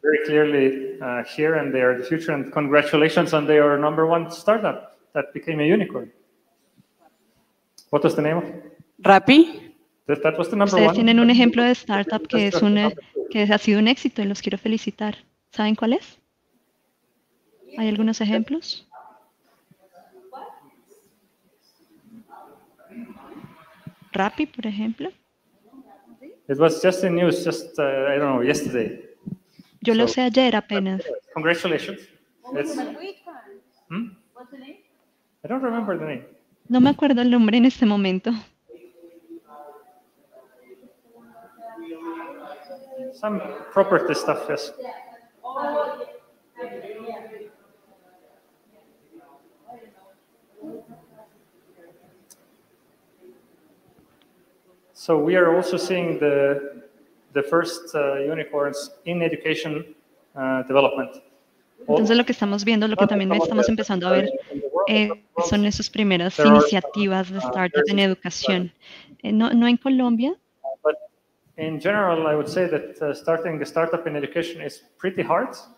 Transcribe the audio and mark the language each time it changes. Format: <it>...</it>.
<en>Very clearly here and there, the future, and congratulations on their number one startup that became a unicorn. What was the name of? Rappi. That was the number</en> <es>ustedes Tienen un ejemplo de startup que es una que ha sido un éxito y los quiero felicitar. ¿Saben cuál es? ¿Hay algunos ejemplos? Rappi, por ejemplo.</es> <en>It was just the news, just I don't know, yesterday.</en> <es>Yo lo sé ayer apenas.</es> <en>Congratulations. What's the name? I don't remember the name.</en> <es>No me acuerdo el nombre en este momento.</es> <en>Some property stuff, yes. So we are also seeing the first unicorns in education development.</en> <es>Entonces lo que estamos viendo, lo que también estamos empezando a ver, son esas primeras iniciativas de startup en educación. No en Colombia.</es> <en>In general, I would say that starting a startup in education is pretty hard.</en>